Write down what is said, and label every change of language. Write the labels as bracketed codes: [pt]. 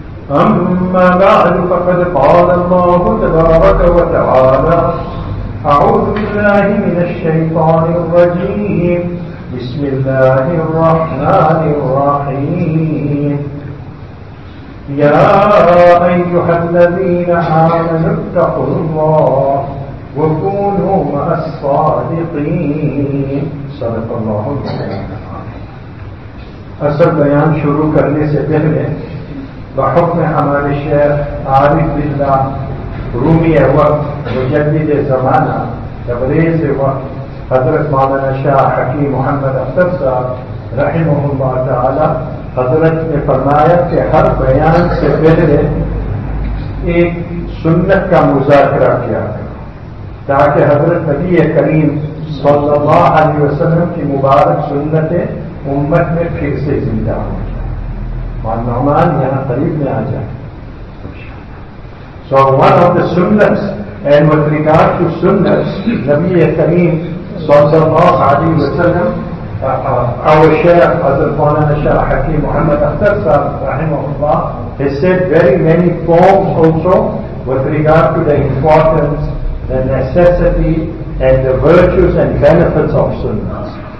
[ar] أما بعد، فقد قال الله تبارك وتعالى: أعوذ بالله من الشيطان الرجيم، بسم الله الرحمن الرحيم. يا أيها الذين آمنوا اتقوا الله وكونوا مع الصادقين. صدق الله العظيم. [ur] أصل بيان شروع کرنے سے پہلے بحكم ہمارے شیخ عارف بالله رومی وقت مجدد زمانہ تبریز وقت حضرت مولانا شاہ حکیم محمد افتر صاحب رحمہ اللہ تعالی، حضرت نے فرمایا کہ ہر بیان سے پہلے ایک سنت کا مذاکرہ کیا تاکہ حضرت نبی کریم صلی اللہ علیہ وسلم کی مبارک سنتیں امت میں پھر سے زندہ ہوں. مہمان یہاں قریب میں آ جائیں. [en] So one of the sunnahs, and with regard to sunnahs, Nabi Kareem sallallahu alayhi wa sallam, our Shaykh Hazrat Maulana Shaykh Hakim Muhammad Akhtar Sahib rahimahullah has said very many poems also with regard to the importance, the necessity and the virtues and benefits of sunnahs.